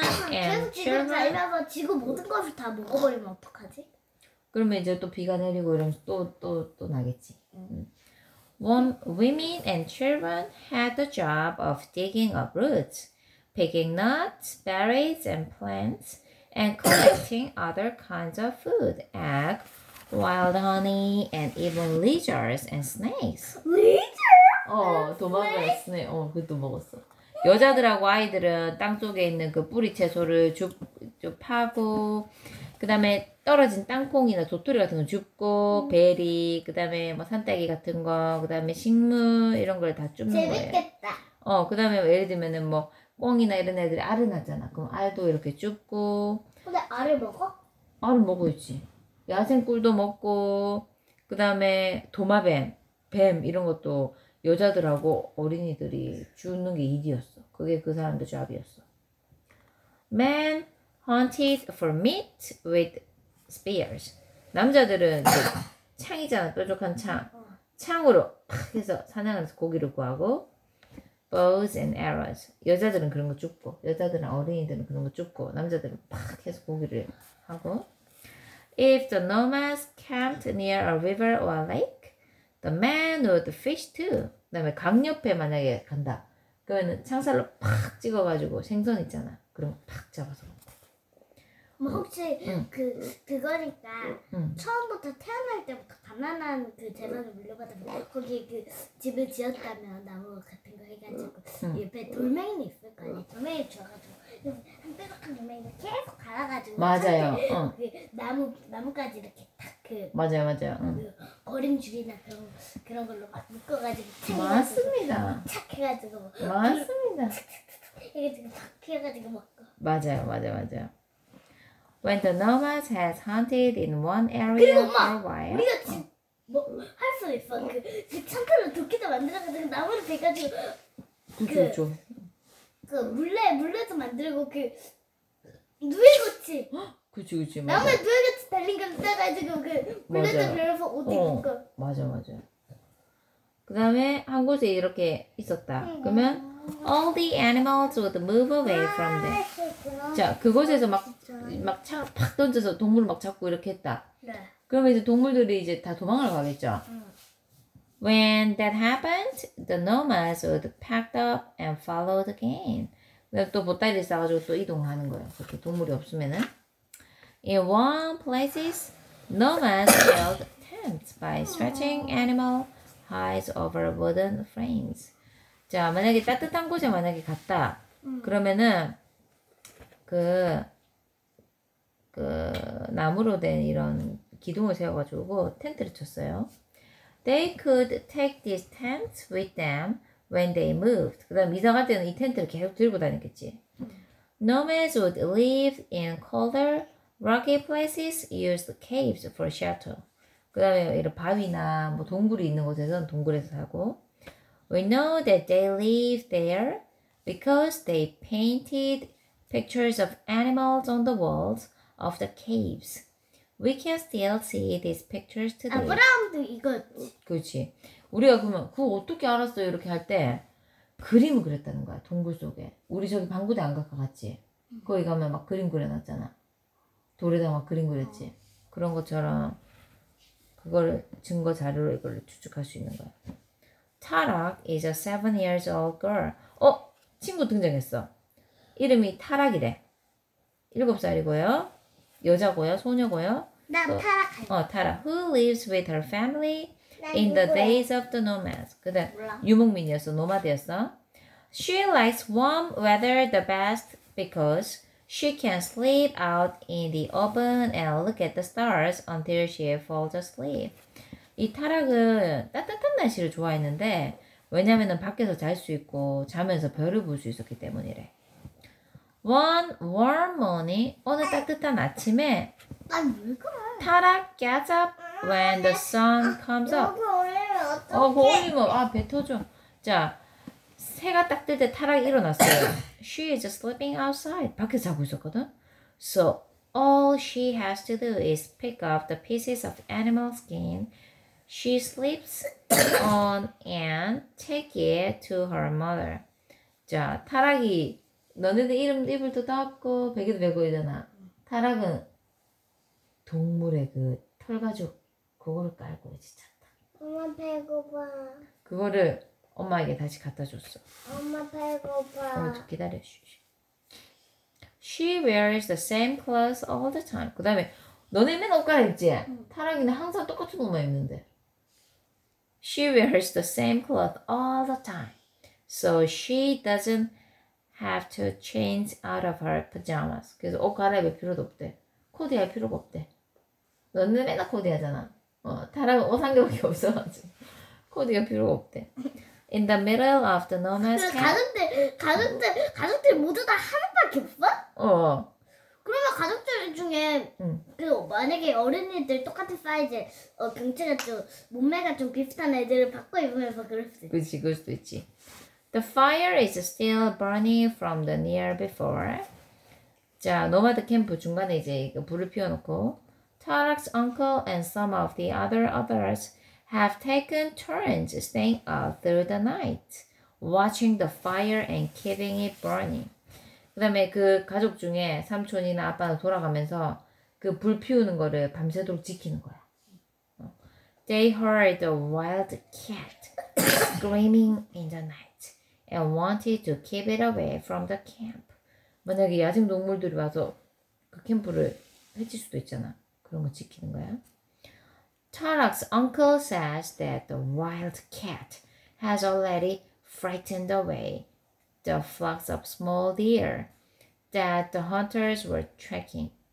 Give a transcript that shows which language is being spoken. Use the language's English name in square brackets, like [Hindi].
[Korean] 계속 지금 다니면서 지금 모든 것을 다 먹어버리면 어떡하지? 그러면 이제 또 비가 내리고 이러면서 또 나겠지. [English] Women and children had the job of digging up roots, picking nuts, berries and plants, and collecting other kinds of food, egg, wild honey, and even lizards and snakes. Lizards? [Korean] 도망가야 스네. 그것도 먹었어. 여자들하고 아이들은 땅 속에 있는 그 뿌리 채소를 쭉 파고, 그 다음에 떨어진 땅콩이나 도토리 같은 거 줍고, 베리, 그 다음에 뭐 산딸기 같은 거, 그 다음에 식물, 이런 걸 다 줍는 거예요. 재밌겠다. 그 다음에 예를 들면은 뭐, 꿩이나 이런 애들이 알을 낳잖아. 그럼 알도 이렇게 줍고. 근데 알을 먹어? 알을 먹어야지. 야생 꿀도 먹고, 그 다음에 도마뱀, 뱀 이런 것도 여자들하고 어린이들이 주는 게 일이었어. 그게 그 사람도 job이었어. [English] Men hunted for meat with spears. [Korean] 남자들은 창이잖아, 뾰족한 창. 창으로 팍 해서 사냥해서 고기를 구하고. [English] Bows and arrows. [Korean] 여자들은 그런 거 줍고, 여자들은 어린이들은 그런 거 줍고, 남자들은 팍 해서 고기를 하고. [English] If the nomads camped near a river or a lake, the men would fish too. [Korean] 다음에 강 옆에 만약에 간다. 그러면 창살로 팍 찍어가지고 생선 있잖아. 그럼 팍 잡아서. 뭐 혹시 그거니까 처음부터 태어날 때부터 가난한 그 재산을 물려받아서 거기 그 집을 지었다면 나무 같은 거 해가지고 옆에 돌멩이는 있을 거 아니야. 돌멩이 주워가지고 한 빼박한 돌멩이를 계속 갈아가지고 맞아요. 그 나뭇가지 이렇게 딱 그 맞아요 맞아요. 그 거림줄이나 그런 걸로 막 묶어가지고 맞습니다. 착 해가지고 맞습니다. 이게 지금 탁 튀어가지고 먹고 맞아요 맞아요 맞아요. [English] When the nomads has hunted in one area for a while. [Korean] 우리가 지금 뭐 할 수 있어. 그 창틀을 도끼도 만들어가지고 나무를 대가지고 그렇죠. 그 물레도 만들고 그 누에고치. 그렇지 그렇지. 나무에 누에고치 달린 걸 써가지고 그 물레도 빌려서 옷 입고. 맞아 맞아. 그 다음에 한 곳에 이렇게 있었다. 그러면 [English] all the animals would move away from there. [Korean] 자, 그곳에서 막 창 팍 던져서 동물을 막 잡고 이렇게 했다. 네. 그러면 이제 동물들이 이제 다 도망을 가겠죠. [English] When that happened, the nomads would pack up and follow the game. [Korean] 또 보따리를 싸가지고 또 이동하는 거예요. 그렇게 동물이 없으면은. [English] In warm places, nomads build tents by stretching animal hides over wooden frames. [Korean] 자, 만약에 따뜻한 곳에 만약에 갔다. 그러면은 그 나무로 된 이런 기둥을 세워가지고 텐트를 쳤어요. [English] They could take these tents with them when they moved. [Korean] 그 다음 이사 갈 때는 이 텐트를 계속 들고 다녔겠지. [English] Nomads would live in colder, rocky places, used caves for shelter. [Korean] 그 다음에 이런 바위나 뭐 동굴이 있는 곳에서는 동굴에서 살고. [English] We know that they live there because they painted pictures of animals on the walls of the caves. We can still see these pictures today. [Korean] 아브라함도 이거지. 그렇지. 우리가 그러면 그거 어떻게 알았어? 이렇게 할 때 그림을 그렸다는 거야. 동굴 속에. 우리 저기 방구대 안 갈까 같지? 거기 가면 막 그림 그려놨잖아. 돌에다 막 그림 그렸지. 그런 것처럼 그걸 증거 자료로 이걸 추측할 수 있는 거야. [English] Tarak is a 7 years old girl. [Korean] 어? 친구 등장했어. 이름이 타락이래. 7살이고요. 여자고요. 소녀고요. 나 타락 할게. [English] 타락. Who lives with her family in the [Korean] 누구야? [English] days of the nomads. [Korean] 그다 유목민이었어. 노마드였어. [English] She likes warm weather the best because she can sleep out in the open and look at the stars until she falls asleep. [Korean] 이 타락은 따뜻한 날씨를 좋아했는데 왜냐면은 밖에서 잘 수 있고 자면서 별을 볼 수 있었기 때문이래. [English] One warm morning, [Korean] 어느 따뜻한 아침에 [English] 타락 gets up when the sun comes up. [Korean] 그거 올리면 어떡해. 배 터져. 자, 새가 딱 뜰 때 타락이 일어났어요. [English] She is sleeping outside. [Korean] 밖에서 자고 있었거든. [English] So all she has to do is pick up the pieces of animal skin she sleeps on and take it to her mother. [Korean] 자, 타락이 너네들 이불도 따왔고 베개도 베고 있잖아. 타락은 동물의 그 털가죽 그거를 깔고 지쳤다. 엄마 배고파. 그거를 엄마에게 다시 갖다 줬어. 엄마 배고파. 좀 기다려. 쉬. [English] She wears the same clothes all the time. [Korean] 그 다음에 너네 맨 옷가락 입지? 타락이는 항상 똑같은 옷만 입는데. [English] She wears the same clothes all the time, so she doesn't have to change out of her pajamas. [Korean] 그래서 옷 갈아입을 필요도 없대. 코디할 필요가 없대. 너는 맨날 코디하잖아. 다른 옷 한 개밖에 없어가지고 코디가 필요가 없대. [English] In the middle of the nomads camp. [Korean] 가족들 가족들 모두 다 하나밖에 없어? 그러면 가족들 중에 그 만약에 어린이들 똑같은 사이즈 경치가 좀 몸매가 좀 비슷한 애들을 바꿔 입으면서 그럴 수도 있지. 그치 그럴 수도 있지. [English] The fire is still burning from the near before. [Korean] 자, 노마드 캠프 중간에 이제 불을 피워놓고 [English] Tarak's uncle and some of the other others have taken turns staying out through the night watching the fire and keeping it burning. [Korean] 그 다음에 그 가족 중에 삼촌이나 아빠가 돌아가면서 그 불 피우는 거를 밤새도록 지키는 거야. [English] They heard a wild cat screaming in the night and wanted to keep it away from the camp. [Korean] 만약에 야생 동물들이 와서 그 캠프를 해칠 수도 있잖아. 그런 거 지키는 거야. [English] Tarak's uncle says that the wild cat has already frightened away the flocks of small deer that the hunters were tracking.